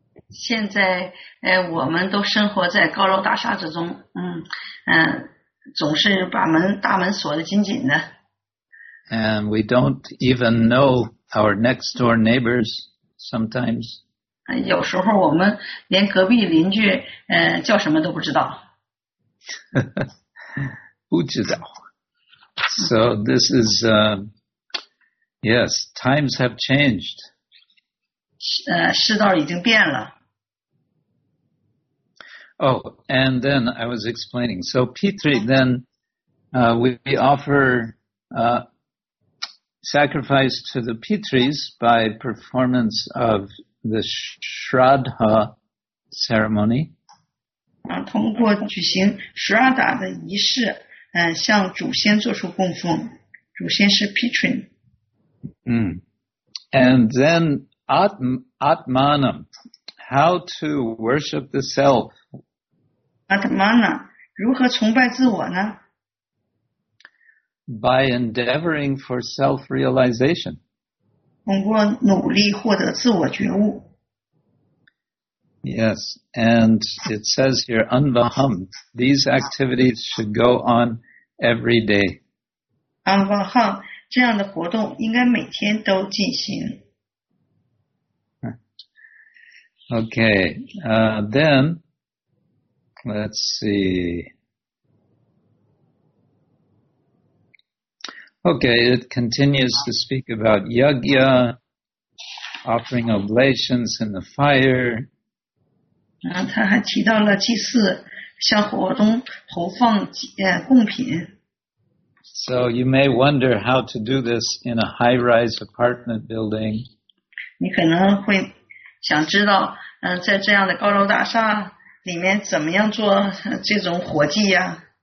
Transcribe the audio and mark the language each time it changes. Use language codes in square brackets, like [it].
[zh] 现在，我们都生活在高楼大厦之中。总是把大门锁得紧紧的。 [en] And we don't even know our next door neighbors sometimes. [zh] 有时候我们连隔壁邻居叫什么都不知道。不知道。 [en] So this is, yes, times have changed. [zh] 世道已经变了。 [en] Oh, and then I was explaining. So, Pitri, then, we offer, sacrifice to the Pitris by performance of the Shraddha ceremony. [zh] 通过举行 Shraddha 的仪式，向祖先做出供奉。祖先是 Pitri. [en] And then, Atmanam, how to worship the self. [zh] Atmana, 如何崇拜自我呢? [en] By endeavoring for self-realization. [zh] 通过努力获得自我觉悟。 [en] Yes, and it says here, Anvaham, these activities should go on every day. [zh] Anvaham, 这样的活动应该每天都进行。 [en] Okay, then... Let's see. Okay, it continues to speak about yagya, offering oblations in the fire. [zh] 他还提到了祭祀，向火中投放贡品。 [en] So you may wonder how to do this in a high-rise apartment building. [zh] 你可能会想知道，在这样的高楼大厦里面怎么样做这种火祭呀?